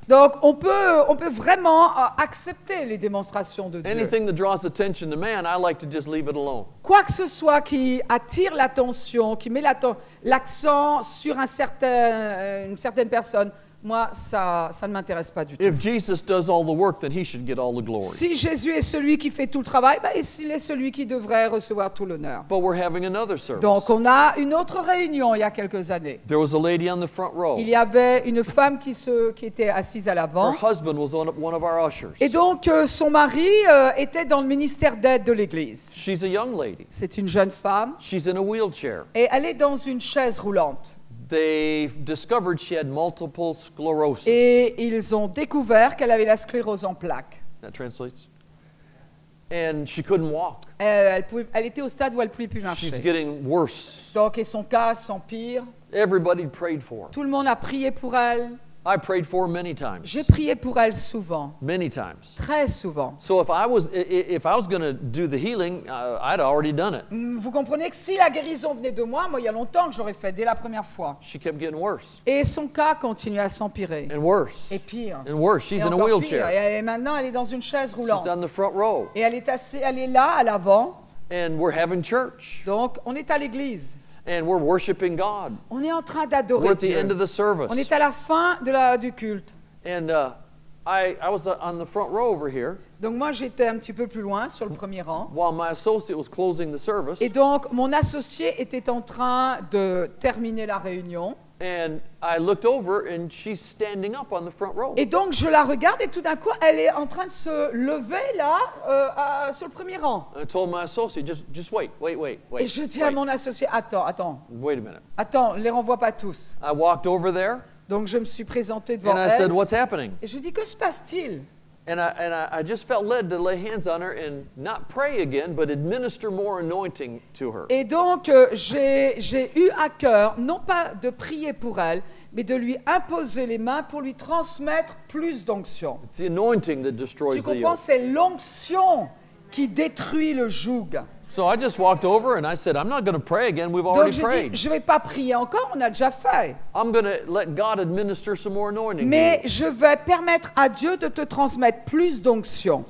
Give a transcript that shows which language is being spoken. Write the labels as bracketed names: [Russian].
[French] Donc on peut vraiment accepter les démonstrations de Dieu. [English] Anything that draws attention to man, I like to just leave it alone. [French] Quoi que ce soit qui attire l'attention, qui met l'accent sur une certaine personne, moi ça ne m'intéresse pas du tout. [English] If Jesus does all the work, then he should get all the glory. [French] Si Jésus est celui qui fait tout le travail, ben il est celui qui devrait recevoir tout l'honneur. [English] But we're having another service. [French] Donc on a une autre réunion il y a quelques années. [English] There was a lady on the front row. [French] Il y avait une femme qui était assise à l'avant. [English] Her husband was one of our ushers. [French] Et donc son mari était dans le ministère d'aide de l'église. [English] She's a young lady. [French] C'est une jeune femme. [English] She's in a wheelchair. [French] Et elle est dans une chaise roulante. [English] They discovered she had multiple sclerosis. [French] Et ils ont découvert qu'elle avait la sclérose en plaques. [English] That translates. And she couldn't walk. [French] Elle était au stade où elle ne pouvait plus marcher. [English] She's getting worse. [French] Donc, et son cas s'empire. [English] Everybody prayed for her. [French] Tout le monde a prié pour elle. [English] I prayed for her many times. [French] J'ai prié pour elle souvent. [English] Many times. [French] Très souvent. [English] So if I was going to do the healing, I'd already done it. [French] Vous comprenez que si la guérison venait de moi, il y a longtemps que j'aurais fait dès la première fois. [English] She kept getting worse. [French] Et son cas continuait à s'empirer. [English] And worse. [French] Et pire. [English] And worse. She's in a wheelchair. [French] Et maintenant elle est dans une chaise roulante. [English] She's on the front row. [French] Et elle est là à l'avant. [English] And we're having church. [French] Donc on est à l'église. [English] And we're worshiping God. [French] On est en train d'adorer [English] Dieu. We're at the end of the service. [French] On est à la fin du culte. [English] And I was on the front row over here. [French] Donc moi j'étais un petit peu plus loin sur le premier rang. [English] While my associate was closing the service. [French] Et donc mon associé était en train de terminer la réunion. [English] And I looked over and she's standing up on the front row. [French] Et donc je la regarde et tout d'un coup elle est en train de se lever là sur le premier rang. [English] And I told my associate just wait. [French] Et je dis à mon associé attends. [English] Wait a minute. [French] Attends, les renvoie pas tous. [English] I walked over there. [French] Donc je me suis présenté devant elle. [English] And I said what's happening? [French] Et je dis que se passe-t-il? [English] And I just felt led to lay hands on her and not pray again, but administer more anointing to her. [French] Et donc j'ai eu à cœur non pas de prier pour elle, mais de lui imposer les mains pour lui transmettre plus d'onction. [English] It's the anointing that destroys the yoke. [French] Tu comprends, c'est l'onction qui détruit le joug. [English] So I just walked over and I said, I'm not going to pray again. We've already prayed. [French] Donc je vais pas prier encore. On a déjà fait. [English] I'm going to let God administer some more anointing. [French] Mais je vais permettre à Dieu de te transmettre plus d'onction.